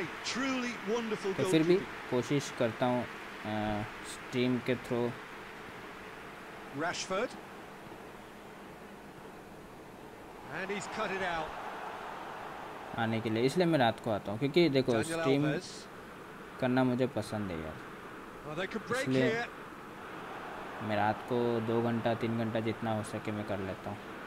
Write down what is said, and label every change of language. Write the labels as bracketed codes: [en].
[hi] तो फिर भी कोशिश करता हूँ स्ट्रीम के through. [en] Rashford and he's cut it out. [hi] आने के लिए इसलिए मैं रात को आता हूँ क्योंकि देखो स्ट्रीम करना मुझे पसंद है यार, इसलिए मैं रात को 2-3 घंटा जितना हो सके मैं कर लेता हूँ।